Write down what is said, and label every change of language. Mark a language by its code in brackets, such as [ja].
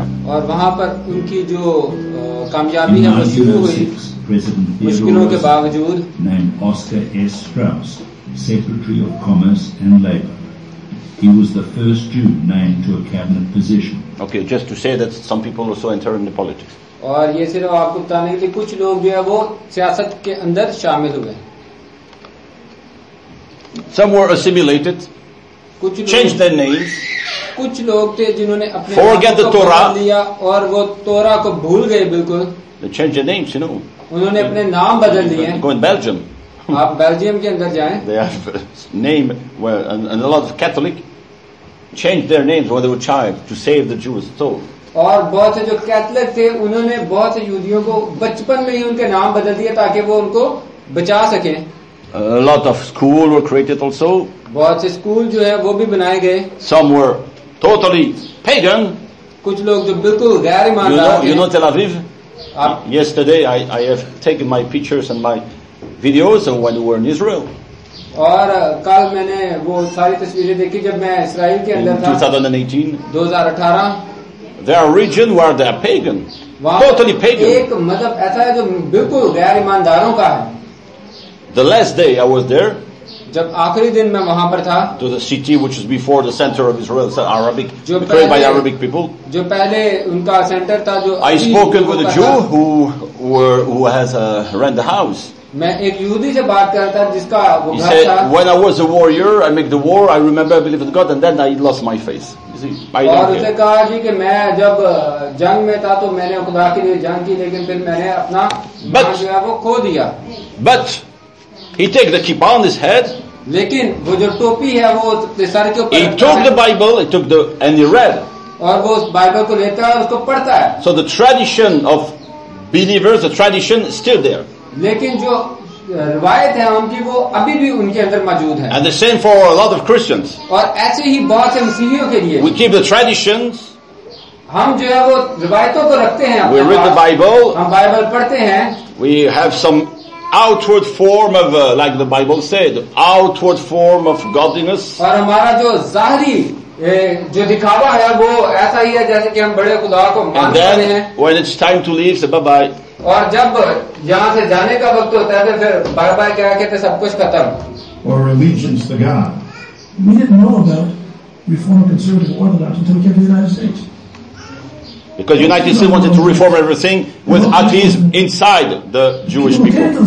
[en] And [hi] वहाँ पर उनकी जो कामयाबी है वो शुरू हुई मुश्किलों के बावजूद. [en] Named Oscar S. Strauss, Secretary of Commerce and Labor, he was the first Jew named to a cabinet position. Okay, just to say that some people also enter in the politics. [hi] और ये सिर्फ आपको बताने के लिए कुछ लोग जो है वो सियासत के अंदर शामिल हुए. [en] Some were assimilated. Changed their names. [hi] कुछ लोग थे जिन्होंने अपने [en] forget the Torah [hi] लिया और वो तोरा को भूल गए बिल्कुल. [en] They changed their names, you know. [hi] उन्होंने अपने नाम बदल लिए. [en] Go in Belgium. [hi] आप बेल्जियम के अंदर जाएं. [en] They have name where and a lot of Catholic changed their names when they were child to save the Jews. So. [hi] और बहुत से जो कैथलिक थे उन्होंने बहुत से यहूदियों को बचपन में ही उनके नाम बदल दिए ताकि वो उनको बचा सके. [en] A lot of schools were created also. [hi] बहुत से स्कूल जो है वो भी बनाए गए. [en] Some were totally pagan. [hi] कुछ लोग जो बिल्कुल गैर ईमानदार. [en] You know Tel Aviv? Yesterday I have taken my pictures and my videos of when we were in Israel. [hi] और कल मैंने वो सारी तस्वीरें देखी जब मैं इसराइल के अंदर था. [en] 2018. There are regions where they are pagan. Totally pagan. [hi] एक मतलब ऐसा है जो बिल्कुल गैर ईमानदारों का है. [en] The last day I was there. [hi] जब आखिरी दिन मैं वहाँ पर था. [en] To the city which is before the center of Israel, so Arabic, created by Arabic people. [hi] जो पहले उनका सेंटर था जो. [en] I spoke with a Jew who has rent the house. [hi] मैं एक यहूदी से बात करता था जिसका वो घर था. [en] He said, when I was a warrior, I make the war. I remember, I believe in God, and then I lost my faith. You see, [hi] और उसने कहा जी कि मैं जब जंग में था तो मैंने खुदा के लिए जंग की लेकिन फिर मैंने अपना [en] but, [hi] जो है वो खो दिया. [en] But he took the kippah on his head. [hi] लेकिन वो जो टोपी है वो सर के ऊपर. [en] He took the Bible. He took the and he read. [hi] और वो बाइबल को लेता है उसको पढ़ता है. [en] So the tradition of believers, the tradition is still there. [hi] लेकिन जो रवायत है उनकी वो अभी भी उनके अंदर मौजूद है. [en] And the same for a lot of Christians. [hi] और ऐसे ही बहुत से मसीहियों के लिए. [en] We keep the traditions. [hi] हम जो है वो रवायतों को रखते हैं. [en] We read the Bible. [hi] हम बाइबल पढ़ते हैं. [en] We have some outward form of like the Bible said, outward form of godliness. [hi] और हमारा जो जाहरी जो दिखावा है वो ऐसा ही है जैसे कि हम बड़े खुदा को मानते हैं. [en] When it's time to leave, say bye bye. [hi] और जब यहाँ से जाने का वक्त होता है तो फिर बाय बाय कह के सब कुछ खत्म. [en] Or allegiance to God. We didn't know about reform or conservative Orthodox until we came to the United States. Because United States wanted to reform everything with atheism inside the Jewish people.